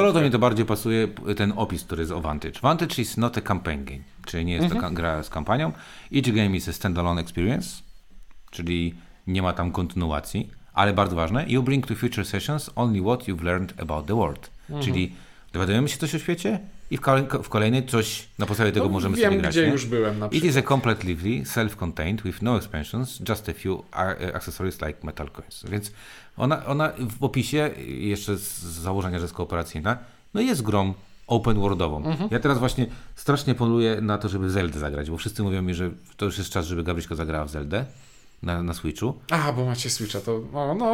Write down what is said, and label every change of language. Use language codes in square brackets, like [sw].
[pl] Do solo to mi to bardziej pasuje ten opis, który jest o Vantage. [en] Vantage is not a campaign game, [pl] czyli nie jest to gra z kampanią. [en] Each game is a standalone experience, [pl] czyli nie ma tam kontynuacji, ale bardzo ważne, [en] you bring to future sessions only what you've learned about the world, [pl] czyli dowiadujemy się coś o świecie, i w kolejnej coś na podstawie tego no, możemy wiem, sobie grać. Gdzie nie? Już byłem na przykład. [en] It is a completely self-contained with no expansions, just a few accessories like metal coins. [pl] Więc ona w opisie, jeszcze z założenia, że jest kooperacyjna, no jest grą open worldową. Mhm. Ja teraz właśnie strasznie poluję na to, żeby Zeldę zagrać, bo wszyscy mówią mi, że to już jest czas, żeby Gabryśka zagrała w Zeldę na Switchu. A, bo macie Switcha, to no, no.